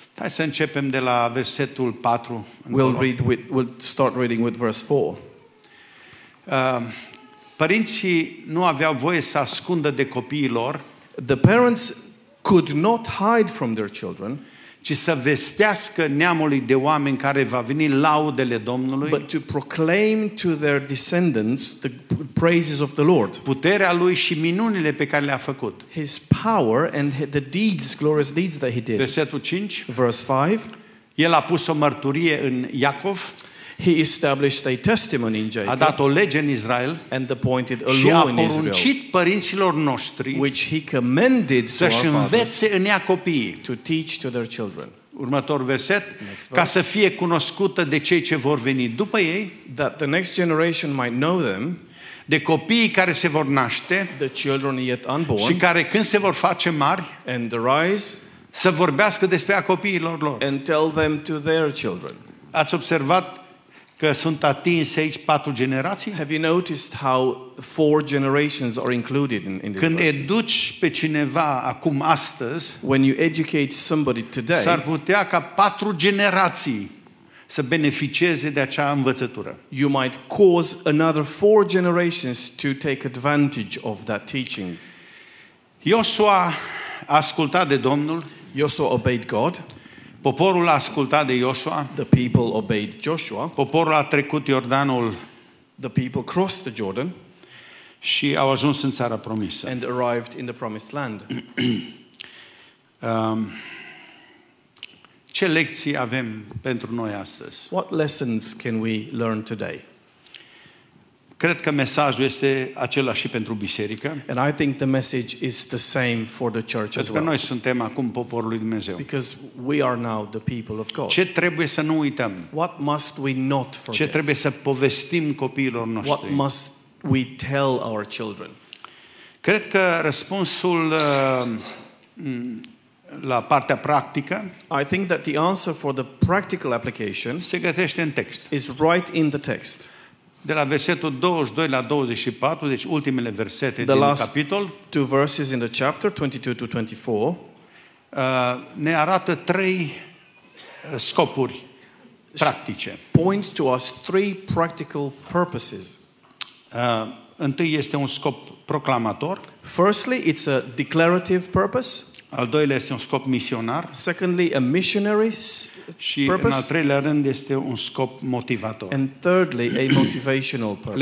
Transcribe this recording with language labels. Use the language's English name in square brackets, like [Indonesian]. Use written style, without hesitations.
[Romanian] Hai să începem de la versetul 4. [English] We'll start reading with verse 4. [Romanian] Părinții nu aveau voie să ascundă de copiii lor. [English] The parents could not hide from their children, [Romanian] ci să vestească neamului de oameni care va veni laudele Domnului, [English] but to proclaim to their descendants the praises of the Lord, [Romanian] puterea lui și minunile pe care le-a făcut, [English] his power and the deeds, glorious deeds that he did. [Romanian] Versetul 5, [English] verse 5, [Romanian] el a pus o mărturie în Iacov. [English] He established a testimony in Jacob, [Romanian] a dat o lege în Israel, [English] and appointed a law in Israel, [Romanian] și a poruncit părinților noștri, [English] which he commended to [Romanian] să-și învețe în ea copiii, [English] to teach to their children. [Romanian] Următor verset, ca să fie cunoscută de cei ce vor veni după ei, [English] that the next generation might know them, [Romanian] de copiii care se vor naște, [English] the children yet unborn, [Romanian] și care când se vor face mari, [English] and arise, [Romanian] să vorbească despre a copiilor lor, [English] and tell them to their children. [Romanian] Ați observat că sunt atinse aici patru generații? [English] Have you noticed how four generations are included in this? [Romanian] Când educi pe cineva acum astăzi, [English] when you educate somebody today, [Romanian] s-ar putea ca patru generații să beneficieze de acea învățătură. [English] You might cause another four generations to take advantage of that teaching. [Romanian] Iosua a ascultat de Domnul. [English] Iosua obeyed God. [Romanian] Poporul a ascultat de Iosua. [English] The people obeyed Joshua. [Romanian] Poporul a trecut Iordanul. [English] The people crossed the Jordan. [Romanian] Și au ajuns în țara promisă. [English] And arrived in the promised land. [Romanian] Ce lecții avem pentru noi astăzi? [English] What lessons can we learn today? [Romanian] Cred că mesajul este același și pentru biserică. [English] And I think the message is the same for the church as well. [Romanian] Pentru că noi suntem acum poporul lui Dumnezeu. [English] Because we are now the people of God. [Romanian] Ce trebuie să nu uităm? [English] What must we not forget? [Romanian] Ce trebuie să povestim copiilor noștri? [English] What must we tell our children? [Romanian] Cred că răspunsul la partea practică, [English] I think that the answer for the practical application, [Romanian] se găsește în text. [English] Is right in the text. [Romanian] De la versetul 22 la 24, deci ultimele versete din capitol, [English] two verses in the chapter 22 to 24, [Romanian] ne arată trei scopuri practice. [English] Points to us three practical purposes. [Romanian] Întâi este un scop proclamator. [English] Firstly, it's a declarative purpose. [Romanian] Al doilea este un scop misionar. [English] Secondly, a missionary purpose. [Romanian] Și în al treilea rând este un scop motivator. [English] And thirdly, a motivational purpose.